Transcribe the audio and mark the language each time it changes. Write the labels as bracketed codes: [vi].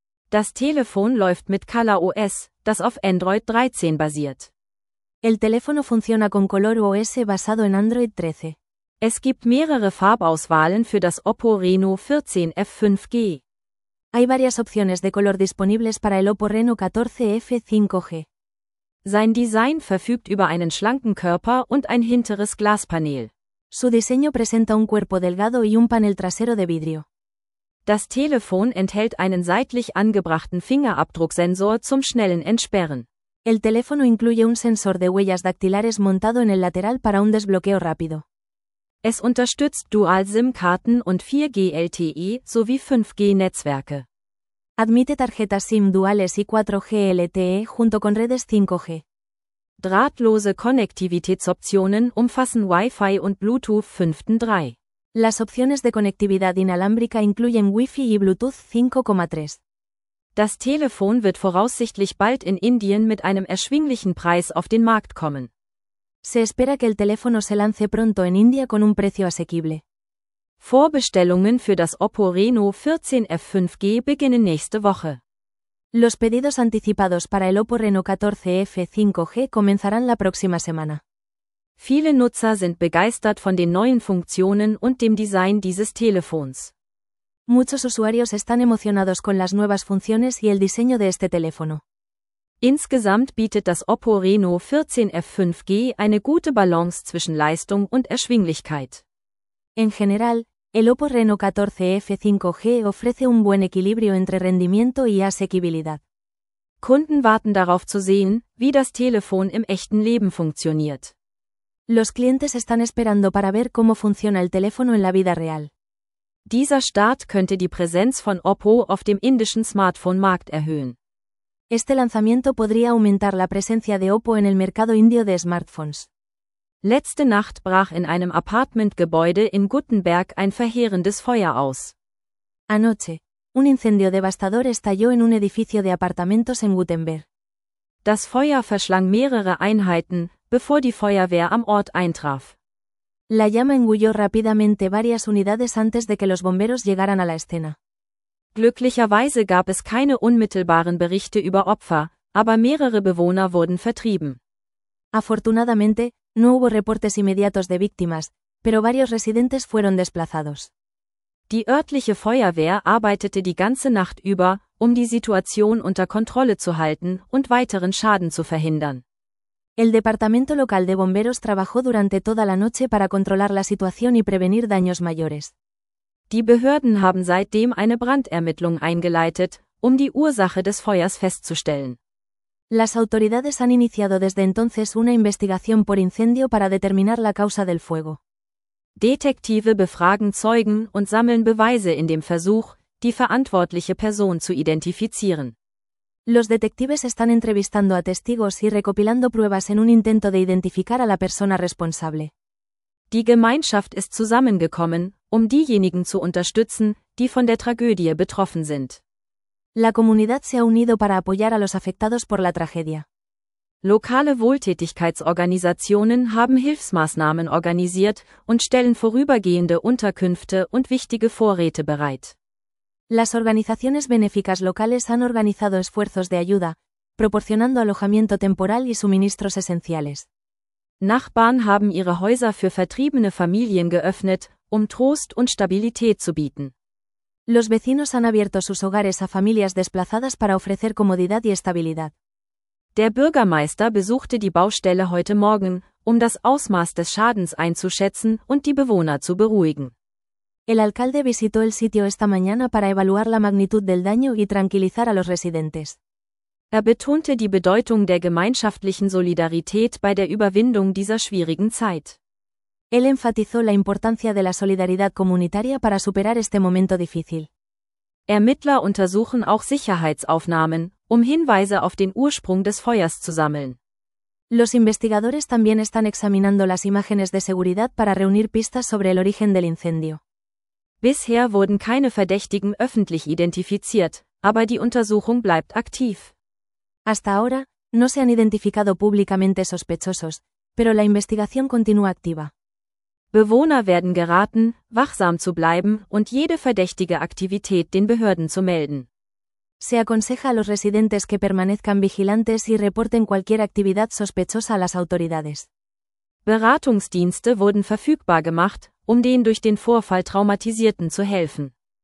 [de] Das Telefon läuft mit Color OS, das auf Android 13 basiert. [es] El teléfono funciona con Color OS basado en Android 13. [de] Es gibt mehrere Farbauswahlen für das Oppo Reno 14 5G. [es] Hay varias opciones de color disponibles para el Oppo Reno 14F 5G. [de] Sein Design verfügt über einen schlanken Körper und ein hinteres Glaspanel. [es] Su diseño presenta un cuerpo delgado y un panel trasero de vidrio. [de] Das Telefon enthält einen seitlich angebrachten Fingerabdrucksensor zum schnellen Entsperren. [es] El teléfono incluye un sensor de huellas dactilares montado en el lateral para un desbloqueo rápido. [de] Es unterstützt Dual-SIM-Karten und 4G LTE sowie 5G-Netzwerke. [es] Admite tarjetas SIM duales y 4G LTE junto con redes 5G. [de] Drahtlose Konnektivitätsoptionen umfassen Wi-Fi und Bluetooth 5.3. [es] Las opciones de conectividad inalámbrica incluyen Wi-Fi y Bluetooth 5.3. [de] Das Telefon wird voraussichtlich bald in Indien mit einem erschwinglichen Preis auf den Markt kommen. [es] Se espera que el teléfono se lance pronto en India con un precio asequible. [de] Vorbestellungen für das Oppo Reno 14 5G beginnen nächste Woche. [es] Los pedidos anticipados para el Oppo Reno 14F 5G comenzarán la próxima semana. [de] Viele Nutzer sind begeistert von den neuen Funktionen und dem Design dieses Telefons. [es] Muchos usuarios están emocionados con las nuevas funciones y el diseño de este teléfono. [de] Insgesamt bietet das Oppo Reno 14 5G eine gute Balance zwischen Leistung und Erschwinglichkeit. [es] En general, el Oppo Reno 14F 5G ofrece un buen equilibrio entre rendimiento y asequibilidad. [de] Kunden warten darauf zu sehen, wie das Telefon im echten Leben funktioniert. [es] Los clientes están esperando para ver cómo funciona el teléfono en la vida real. [de] Dieser Start könnte die Präsenz von Oppo auf dem indischen Smartphone-Markt erhöhen. [es] Este lanzamiento podría aumentar la presencia de Oppo en el mercado indio de smartphones. [de] Letzte Nacht brach in einem Apartmentgebäude in Gutenberg ein verheerendes Feuer aus. [es] Anoche, un incendio devastador estalló en un edificio de apartamentos en Gutenberg. [de] Das Feuer verschlang mehrere Einheiten, bevor die Feuerwehr am Ort eintraf. [es] La llama engulló rápidamente varias unidades antes de que los bomberos llegaran a la escena. [de] Glücklicherweise gab es keine unmittelbaren Berichte über Opfer, aber mehrere Bewohner wurden vertrieben. [es] Afortunadamente, no hubo reportes inmediatos de víctimas, pero varios residentes fueron desplazados. [de] Die örtliche Feuerwehr arbeitete die ganze Nacht über, um die Situation unter Kontrolle zu halten und weiteren Schaden zu verhindern. [es] El departamento local de bomberos trabajó durante toda la noche para controlar la situación y prevenir daños mayores. [de] Die Behörden haben seitdem eine Brandermittlung eingeleitet, um die Ursache des Feuers festzustellen. [es] Las autoridades han iniciado desde entonces una investigación por incendio para determinar la causa del fuego. [de] Detektive befragen Zeugen und sammeln Beweise in dem Versuch, die verantwortliche Person zu identifizieren. [es] Los detectives están entrevistando a testigos y recopilando pruebas en un intento de identificar a la persona responsable. [de] Die Gemeinschaft ist zusammengekommen, um diejenigen zu unterstützen, die von der Tragödie betroffen sind. [es] La comunidad se ha unido para apoyar a los afectados por la tragedia. [de] Lokale Wohltätigkeitsorganisationen haben Hilfsmaßnahmen organisiert und stellen vorübergehende Unterkünfte und wichtige Vorräte bereit. [es] Las organizaciones benéficas locales han organizado esfuerzos de ayuda, proporcionando alojamiento temporal y suministros esenciales. [de] Nachbarn haben ihre Häuser für vertriebene Familien geöffnet, um Trost und Stabilität zu bieten. [es] Los vecinos han abierto sus hogares a familias desplazadas para ofrecer comodidad y estabilidad. [de] Der Bürgermeister besuchte die Baustelle heute Morgen, um das Ausmaß des Schadens einzuschätzen und die Bewohner zu beruhigen. [es] El alcalde visitó el sitio esta mañana para evaluar la magnitud del daño y tranquilizar a los residentes. [de] Betonte die Bedeutung der gemeinschaftlichen Solidarität bei der Überwindung dieser schwierigen Zeit. [es] Él enfatizó la importancia de la solidaridad comunitaria para superar este momento difícil. [de] Ermittler untersuchen auch Sicherheitsaufnahmen, Hinweise auf den Ursprung des Feuers zu sammeln. [es] Los investigadores también están examinando las imágenes de seguridad para reunir pistas sobre el origen del incendio. [de] Bisher wurden keine Verdächtigen öffentlich identifiziert, aber die Untersuchung bleibt aktiv. [es] Hasta ahora, no se han identificado públicamente sospechosos, pero la investigación continúa activa. [de] Bewohner werden geraten, wachsam zu bleiben und jede verdächtige Aktivität den Behörden zu melden. [es] Se aconseja a los residentes que permanezcan vigilantes y reporten cualquier actividad sospechosa a las autoridades. [de] Beratungsdienste wurden verfügbar gemacht, den durch den Vorfall Traumatisierten zu helfen.